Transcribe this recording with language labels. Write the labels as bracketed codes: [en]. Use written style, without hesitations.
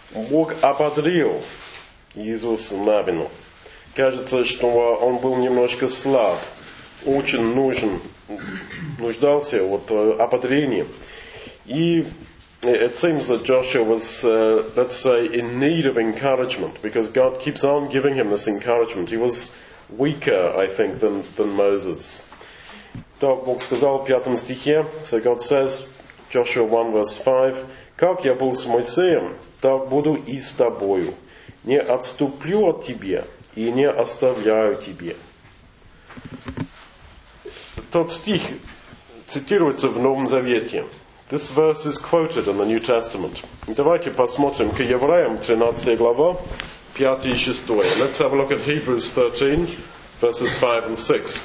[ru] Бог ободрил Иисуса Навину. Кажется, что он был немножко слаб, очень нуждался вот ободрении. [en] И it seems that Joshua was, let's say, in need of encouragement, because God keeps on giving him this encouragement. He was weaker, I think, than Moses. [ru] Так, Бог сказал в 5 стихе, [en] so God says, Joshua 1, verse 5, [ru] как я был с Моисеем, так буду и с тобою. Не отступлю от тебя и не оставляю тебя. Тот стих цитируется в Новом Завете. [en] This verse is quoted in the New Testament. [ru] Давайте посмотрим к Евреям 13 глава, 5 и 6. [en] Let's have a look at Hebrews 13, verses 5 and 6.